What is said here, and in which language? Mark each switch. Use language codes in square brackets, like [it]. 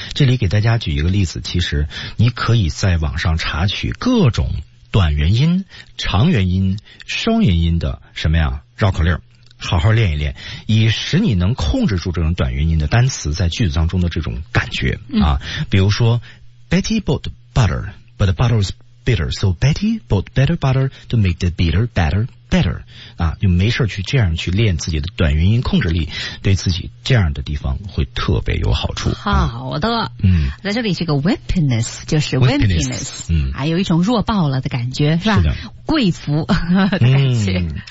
[zh] 这里给大家举一个例子，其实你可以在网上查取各种短元音、长元音、双元音的什么呀绕口令。好好练一练，以使你能控制住这种短元音的单词在句子当中的这种感觉啊。比如说 [en] ，Betty bought butter, but the butter is bitter. So Betty bought better butter to make the bitter better better. [zh] 啊，就没事去这样去练自己的短元音控制力，对自己这样的地方会特别有好处。好的，在这里这个 wimpiness 就是 wimpiness，啊，有一种弱爆了的感觉，是吧？是的。贵妇的感觉。